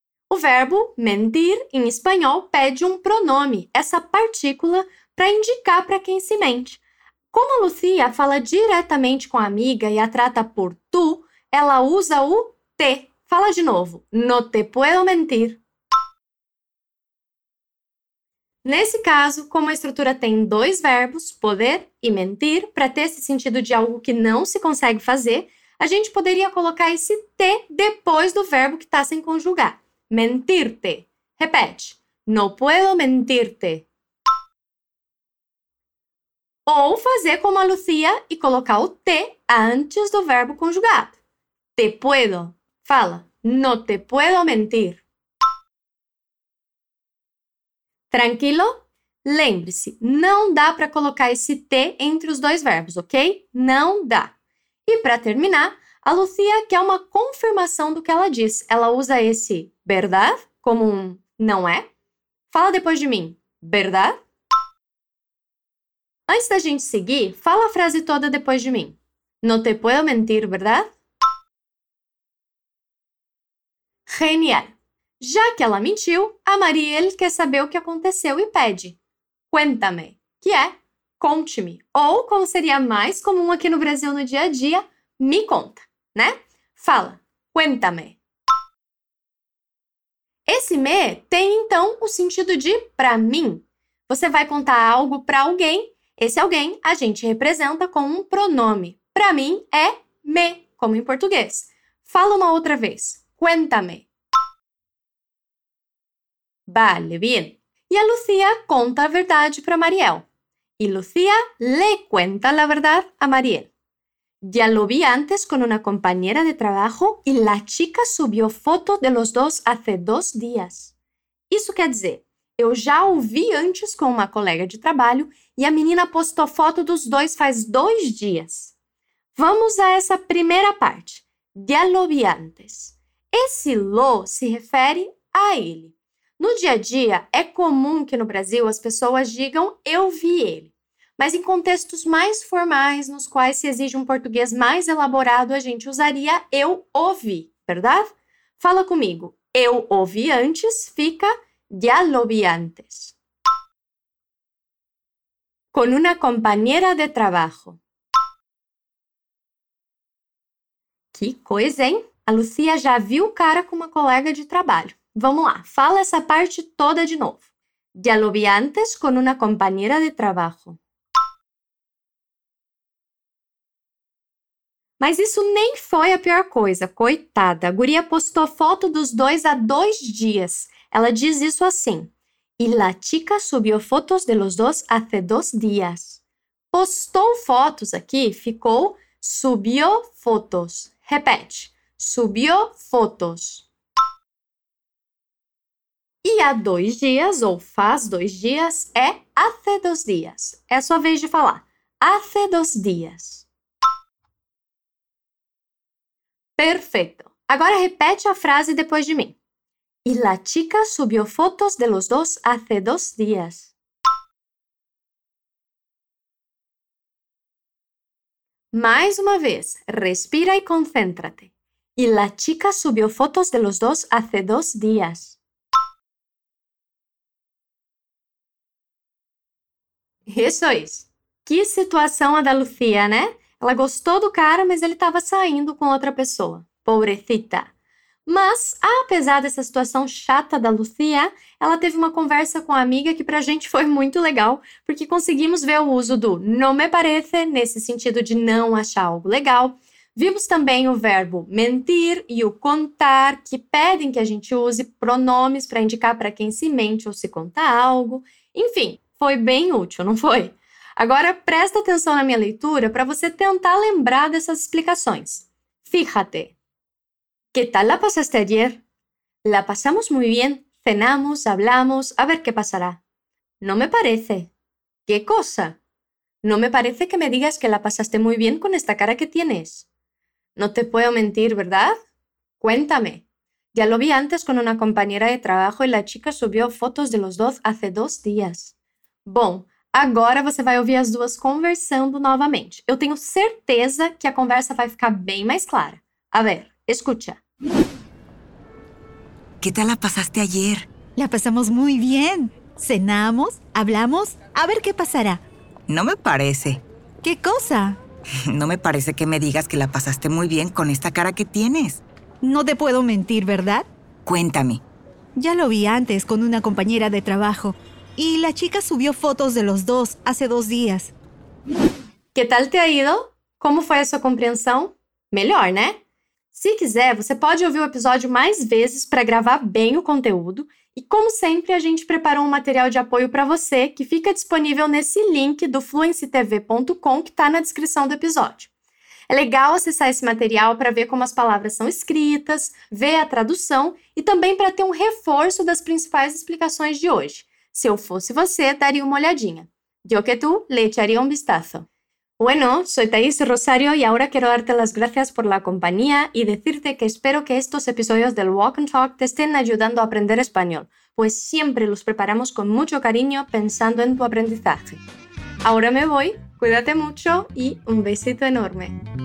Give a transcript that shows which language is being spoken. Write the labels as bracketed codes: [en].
[pt] O verbo mentir, em espanhol, pede um pronome, essa partícula, para indicar para quem se mente. Como a Lucía fala diretamente com a amiga e a trata por tu, ela usa o te. Fala de novo, [es] no te puedo mentir. [pt] Nesse caso, como a estrutura tem dois verbos, poder e mentir, para ter esse sentido de algo que não se consegue fazer, a gente poderia colocar esse te depois do verbo que está sem conjugar. [es] Mentirte. [pt] Repete. [es] No puedo mentirte. [pt] Ou fazer como a Lucía e colocar o te antes do verbo conjugado. [es] Te puedo. [pt] Fala. [es] No te puedo mentir. [pt] Tranquilo? Lembre-se, não dá para colocar esse te entre os dois verbos, ok? Não dá. E para terminar, a Lucía quer uma confirmação do que ela diz. Ela usa esse verdade como um não é. Fala depois de mim, verdade? Antes da gente seguir, fala a frase toda depois de mim. [es] No te puedo mentir, verdade? [pt] Genial! Já que ela mentiu, a Mariel quer saber o que aconteceu e pede. Cuéntame, que é conte-me. Ou, como seria mais comum aqui no Brasil no dia a dia, me conta. Né? Fala, cuéntame. Esse me tem, então, o sentido de pra mim. Você vai contar algo pra alguém, esse alguém a gente representa com um pronome. Pra mim é me, como em português. Fala uma outra vez, cuéntame. [es] Vale, bien. [pt] E a Lucía conta a verdade pra Mariel. [es] E Lucía le cuenta la verdad a Mariel. Ya lo vi antes con una compañera de trabajo y la chica subió foto de los dos hace 2 días. [pt] Isso quer dizer, eu já o vi antes com uma colega de trabalho e a menina postou foto dos dois faz 2 dias. Vamos a essa primeira parte. [es] Ya lo vi antes. [pt] Esse lo se refere a ele. No dia a dia, é comum que no Brasil as pessoas digam eu vi ele. Mas em contextos mais formais, nos quais se exige um português mais elaborado, a gente usaria eu ouvi, verdade? Fala comigo, eu ouvi antes, fica [es] ya lo vi antes. Con una compañera de trabajo. [pt] Que coisa, hein? A Lucía já viu o cara com uma colega de trabalho. Vamos lá, fala essa parte toda de novo. [es] Ya lo vi antes con una compañera de trabajo. [pt] Mas isso nem foi a pior coisa, coitada. A guria postou foto dos dois há 2 dias. Ela diz isso assim. [es] E la chica subió fotos de los dos hace 2 días. [pt] Postou fotos aqui, ficou [es] subió fotos. [pt] Repete, [es] subió fotos. [pt] E há 2 dias, ou faz 2 dias, é [es] hace 2 días. [pt] É a sua vez de falar. [es] Hace 2 días. [pt] Perfeito. Agora repete a frase depois de mim. [es] Y la chica subió fotos de los dos hace 2 días. [pt] Mais uma vez, respira e concéntrate. [es] Y la chica subió fotos de los dos hace 2 días. Eso es. Qué situación a da Lucía, ¿no? [pt] Ela gostó do cara, mas ele estava saindo com outra pessoa. Pobrecita. Mas, apesar dessa situação chata da Lucia, ela teve uma conversa com a amiga que pra gente foi muito legal, porque conseguimos ver o uso do [es] no me parece, [pt] nesse sentido de não achar algo legal. Vimos também o verbo mentir e o contar, que pedem que a gente use pronomes para indicar para quem se mente ou se conta algo. Enfim, foi bem útil, não foi? Agora, presta atenção na minha leitura para você tentar lembrar dessas explicações. [es] Fíjate. ¿Qué tal la pasaste ayer? La pasamos muy bien. Cenamos, hablamos, a ver qué pasará. No me parece. ¿Qué cosa? No me parece que me digas que la pasaste muy bien con esta cara que tienes. No te puedo mentir, ¿verdad? Cuéntame. Ya lo vi antes con una compañera de trabajo y la chica subió fotos de los dos hace 2 días. [pt] Bom, agora você vai ouvir as duas conversando novamente. Eu tenho certeza que a conversa vai ficar bem mais clara. [es] A ver, escucha. ¿Qué tal la pasaste ayer? La pasamos muy bien. Cenamos, hablamos, a ver qué pasará. No me parece. ¿Qué cosa? No me parece que me digas que la pasaste muy bien con esta cara que tienes. No te puedo mentir, ¿verdad? Cuéntame. Ya lo vi antes con una compañera de trabajo. Y la chica subió fotos de los dos hace 2 días. ¿Qué tal te ha ido? ¿Cómo fue su comprensión? [pt] Melhor, ¿no? Se quiser, você pode ouvir o episódio mais vezes para gravar bem o conteúdo. E como sempre, a gente preparou um material de apoio para você que fica disponível nesse link do fluencytv.com que está na descrição do episódio. É legal acessar esse material para ver como as palavras são escritas, ver a tradução e também para ter um reforço das principais explicações de hoje. Se eu fosse você, daria uma olhadinha. [es] Yo que tú le echaría un vistazo. Bueno, soy Thaís Rosario y ahora quiero darte las gracias por la compañía y decirte que espero que estos episodios del Walk and Talk te estén ayudando a aprender español, pues siempre los preparamos con mucho cariño pensando en tu aprendizaje. Ahora me voy, cuídate mucho y un besito enorme.